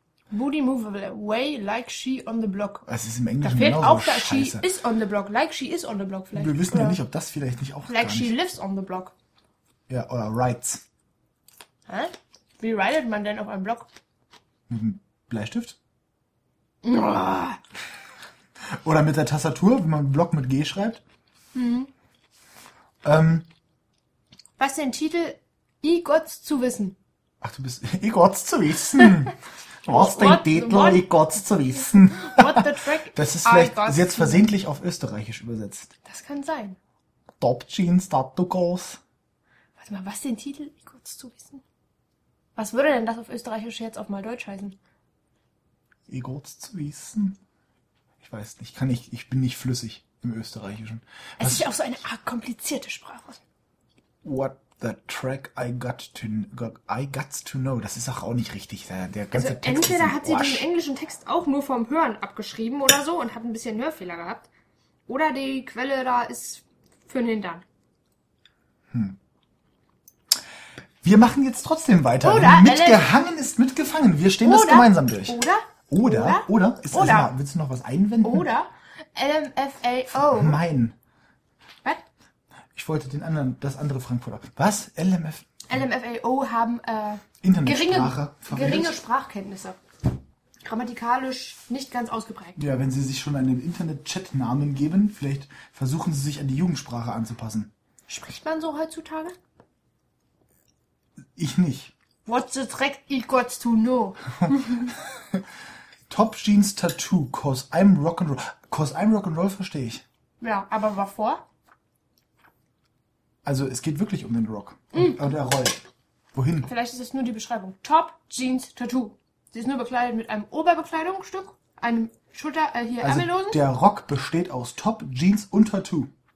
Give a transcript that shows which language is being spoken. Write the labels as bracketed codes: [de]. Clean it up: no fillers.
[en] Booty move away like she on the block. [de] Das ist im Englischen genau so. Da fehlt auch, [en] she is on the block. Like she is on the block [de] vielleicht. Wir wissen oder ja nicht, ob das vielleicht nicht auch... [en] Like she lives on the block. [de] Ja, oder [en] rides. [de] Hä? Wie ridet man denn auf einem Block? Mit einem Bleistift? Oder mit der Tastatur, wenn man Block mit G schreibt? Was den Titel Igots zu wissen? Ach, du bist Igots zu wissen. Was den Titel Igots zu wissen? [en] What the track? [de] Das ist vielleicht jetzt versehentlich auf Österreichisch übersetzt. Das kann sein. [en] Top Jeans, Tattoo Goals. [de] Warte mal, was den Titel Igots zu wissen? Was würde denn das auf Österreichisch jetzt auf mal Deutsch heißen? Igots zu wissen? Ich weiß nicht, ich bin nicht flüssig im Österreichischen. Es ist ja auch so eine Art komplizierte Sprache. [en] What the track I got to know. [de] Das ist auch nicht richtig. Der ganze also Text entweder hat sie den englischen Text auch nur vom Hören abgeschrieben oder so und hat ein bisschen Hörfehler gehabt. Oder die Quelle da ist für den Hintern. Wir machen jetzt trotzdem weiter. Oder mitgehangen ist mitgefangen. Wir stehen das gemeinsam durch. Oder? Also, willst du noch was einwenden? Oder? LMFAO. Nein. Was? Ich wollte das andere Frankfurter. Was? LMF? LMFAO haben geringe Sprachkenntnisse. Grammatikalisch nicht ganz ausgeprägt. Ja, wenn sie sich schon einen Internet-Chat-Namen geben, vielleicht versuchen sie sich an die Jugendsprache anzupassen. Spricht man so heutzutage? Ich nicht. [en] What the track I got to know? Top Jeans Tattoo, cause I'm rock'n'roll. Cause I'm rock'n'roll [de] verstehe ich. Ja, aber wovor? Also es geht wirklich um den Rock. Und der Roll. Wohin? Vielleicht ist es nur die Beschreibung. [en] Top Jeans Tattoo. [de] Sie ist nur bekleidet mit einem Oberbekleidungsstück, einem Schulter, hier also Ärmellosen. Der Rock besteht aus Top Jeans und Tattoo.